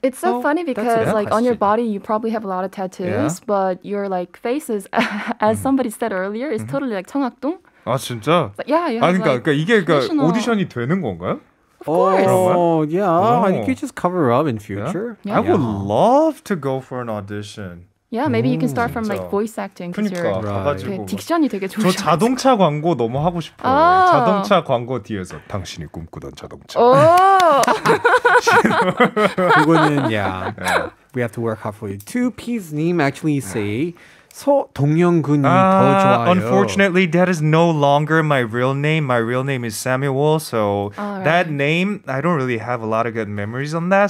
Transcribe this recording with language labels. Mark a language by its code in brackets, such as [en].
[en] It's so funny because like on your body you probably have a lot of tattoos, yeah? but your like faces, as somebody said earlier, is totally like 청학동. [ko] 아 진짜? [en] Yeah, yeah. [ko] 아 그러니까 like, 그러니까 이게 그러니까 오디션이 되는 건가요? [en] Of course. You could just cover up in future. Yeah? Yeah. I would love to go for an audition. Yeah, maybe you can start from like voice acting. [ko] 그러니까 가가지고 딕션이 되게 좋으셔. 저 자동차 광고 너무 하고 싶어요. [en] Oh. [ko] 자동차 광고 뒤에서 당신이 꿈꾸던 자동차. [en] Oh. [ko] 그거는 [en] yeah. We have to work hard for you. Two P's name actually say. [ko] 서동영군이 더 좋아요. [en] Unfortunately, that is no longer my real name. My real name is Samuel. So that name, I don't really have a lot of good memories on that.